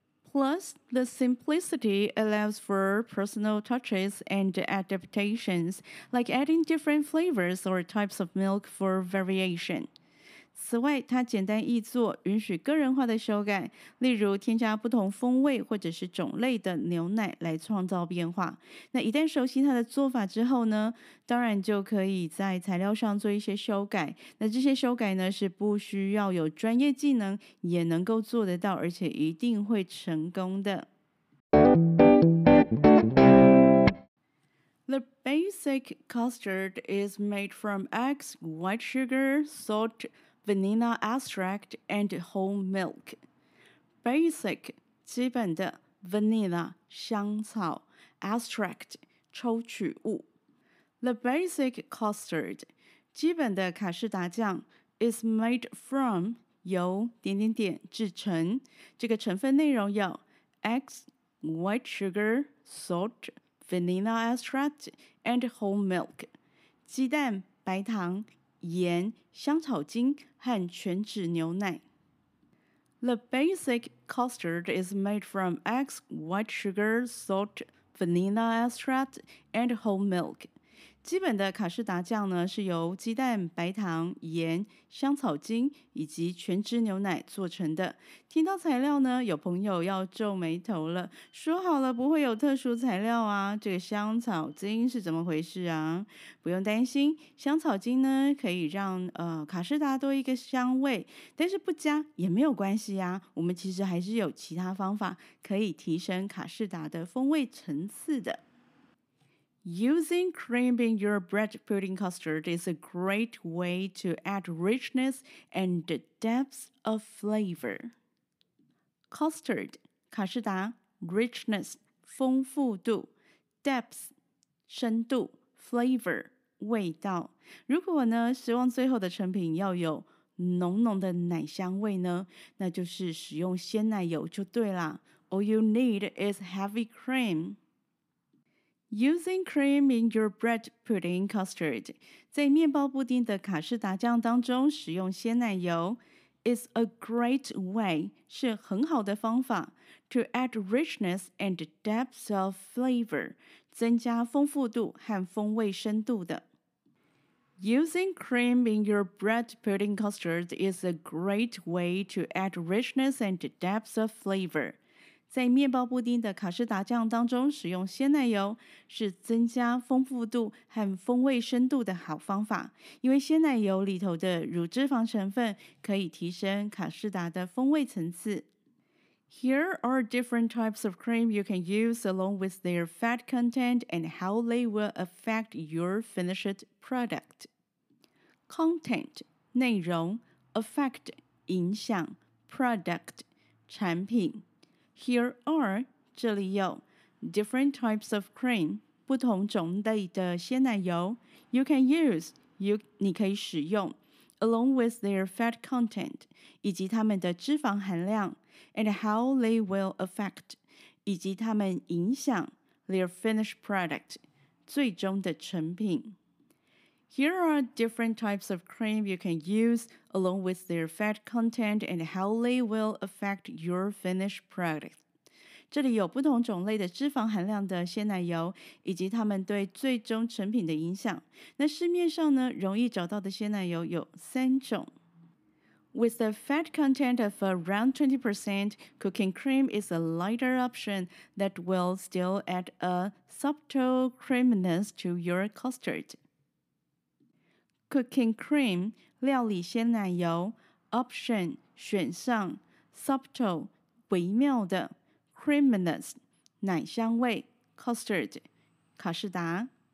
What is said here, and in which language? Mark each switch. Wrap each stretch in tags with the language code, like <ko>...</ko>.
<en>Plus, the simplicity allows for personal touches and adaptations, like adding different flavors or types of milk for variation.</en> <zh>此外，它简单易作，允许个人化的修改，例如添加不同风味或者是种类的牛奶来创造变化。那一旦熟悉它的做法之后呢，当然就可以在材料上做一些修改。那这些修改呢，是不需要有专业技能也能够做得到，而且一定会成功的。</zh> <en>The basic custard is made from eggs, white sugar, salt, vanilla extract, and whole milk. Basic, 基本的 vanilla, 香草 extract, 抽取物 The basic custard,</en> <zh>基本的卡士达酱</zh> <en>is made from,</en> <zh>由点点点制成这个成分内容有</zh> <en>eggs, white sugar, salt,Vanilla extract and whole milk.</en> <zh>鸡蛋、白糖、盐、香草精和全脂牛奶。</zh> <en>The basic custard is made from eggs, white sugar, salt, vanilla extract and whole milk.</en> <zh>基本的卡士达酱呢，是由鸡蛋、白糖、盐、香草精以及全脂牛奶做成的。听到材料呢，有朋友要皱眉头了，说好了不会有特殊材料啊，这个香草精是怎么回事啊？不用担心，香草精呢可以让卡士达多一个香味，但是不加也没有关系啊，我们其实还是有其他方法可以提升卡士达的风味层次的。</zh> <en>Using cream in your bread pudding custard is a great way to add richness and depth of flavor. Custard, 卡士达 richness, 丰富度 depth, 深度 flavor, 味道。</en> <zh>如果呢，希望最后的成品要有浓浓的奶香味呢，那就是使用鲜奶油就对啦。</zh> <en>All you need is heavy cream. Using cream in your bread pudding custard,</en> <zh>在面包布丁的卡士达酱当中使用鲜奶油</zh> <en>is a great way,</en> <zh>是很好的方法</zh> <en>to add richness and depth of flavor,</en> <zh>增加丰富度和风味深度的。</zh> <en>Using cream in your bread pudding custard is a great way to add richness and depth of flavor.</en> <zh>在面包布丁的卡士达酱当中使用鲜奶油是增加丰富度和风味深度的好方法，因为鲜奶油里头的乳脂肪成分可以提升卡士达的风味层次。</zh> <en>Here are different types of cream you can use along with their fat content and how they will affect your finished product. Content, 内容 Affect, 影响 Product, 产品Here are, 这里有 different types of cream,</en> <zh>不同种类的鲜奶油</zh> <en>you can use,</en> <zh>你可以使用</zh> <en>along with their fat content,</en> <zh>以及它们的脂肪含量</zh> <en>and how they will affect,</en> <zh>以及它们影响</zh> <en>their finished product,</en> <zh>最终的成品。</zh> <en>Here are different types of cream you can use along with their fat content and how they will affect your finished product.</en> <zh>这里有不同种类的脂肪含量的鲜奶油以及它们对最终成品的影响。那市面上呢，容易找到的鲜奶油有三种。</zh> <en>With a fat content of around 20%, cooking cream is a lighter option that will still add a subtle creaminess to your custard. Cooking cream, 料理鲜奶油 option, 选项 subtle, 微妙的 creaminess, 奶香味 custard, 卡士达</en>